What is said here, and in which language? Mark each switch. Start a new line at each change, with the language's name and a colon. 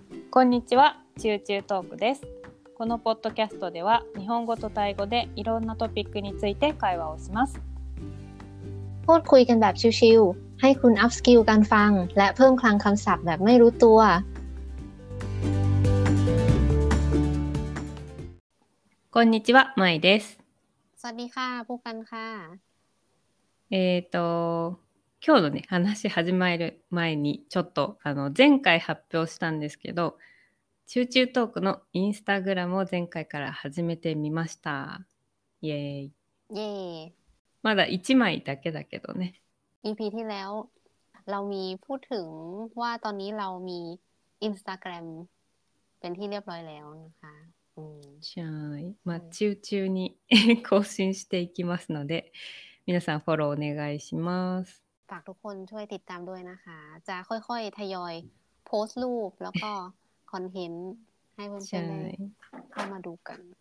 Japanese: こんにちは、チューチュートークです。このポッドキャストでは日本語とタイ語でいろんなトピックについて会話をします。
Thai: พูดคุยกันแบบชิวๆให้คุณอัพสกิลการฟังและเพิ่มคลังคำศัพท์แบบไม่รู้ตัว
Japanese: こんにちは、まいです。
Thai: สวัสดีค่ะพูกันค่ะ
Japanese: 今日のね、話始まる前に、ちょっと、前回発表したんですけど、チューチュートークのインスタグラムを前回から始めてみました。イエーイ。イエーイ。まだ1枚だけだけどね。
Thai: EP ที่แล้ว、เรามีพูดถึงว่าตอนนี้เรามีインスタグラムเป็นที่เรียบร้อยแล้วนะคะ。 ใช่。
Japanese: まあ、チューチューに更新していきますので、皆さんフォローお願いします。
Thai: ฝากทุกคนช่วยติดตามด้วยนะคะจะค่อยๆทยอยโพสต์รูปแล้วก็คอนเทนต์ให้เพื่อนๆได้เข้ามาดูกัน